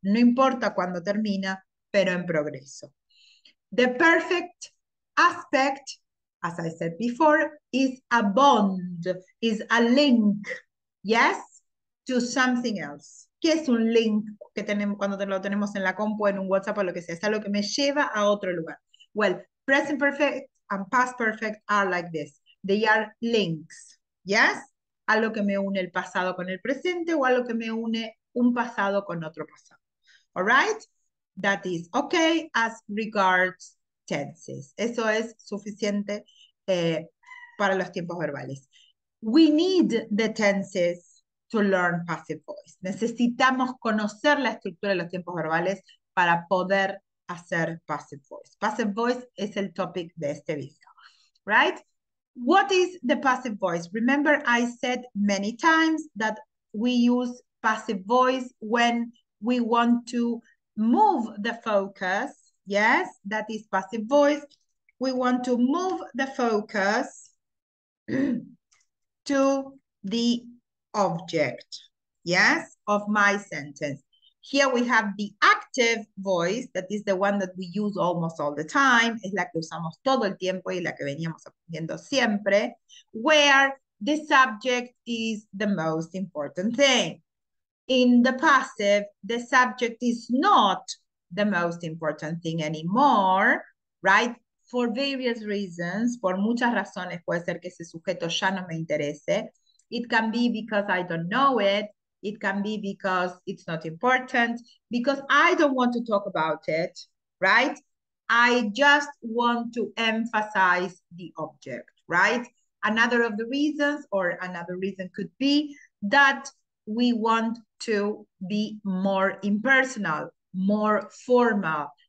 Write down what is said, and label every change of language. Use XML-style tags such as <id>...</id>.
<es>No importa cuándo termina, pero en progreso.</es> <en>The perfect aspect, as I said before, is a bond, is a link, yes, to something else.</en> <es>¿Qué es un link que tenemos cuando lo tenemos en la compu, en un WhatsApp o lo que sea? Es algo que me lleva a otro lugar.</es> <en>Well, present perfect and past perfect are like this. They are links, yes,</en> <es>algo que me une el pasado con el presente o algo que me une un pasado con otro pasado.</es> <en>All right? That is okay as regards tenses.</en> <es>Eso es suficiente para los tiempos verbales.</es> <en>We need the tenses to learn passive voice.</en> <es>Necesitamos conocer la estructura de los tiempos verbales para poder hacer passive voice. Passive voice es el topic de este video. Right?</es> <en>What is the passive voice? Remember, I said many times that we use passive voice when we want to move the focus. Yes, that is passive voice. We want to move the focus to the object. Yes, of my sentence. Here we have the active voice, that is the one that we use almost all the time,</en> <es>es la que usamos todo el tiempo y la que veníamos aprendiendo siempre,</es> <en>where the subject is the most important thing. In the passive, the subject is not the most important thing anymore, right? For various reasons,</en> <es>por muchas razones, puede ser que ese sujeto ya no me interese.</es> <en>It can be because I don't know it. It can be because it's not important, because I don't want to talk about it, right? I just want to emphasize the object, right? Another of the reasons, or another reason could be that we want to be more impersonal, more formal.</en>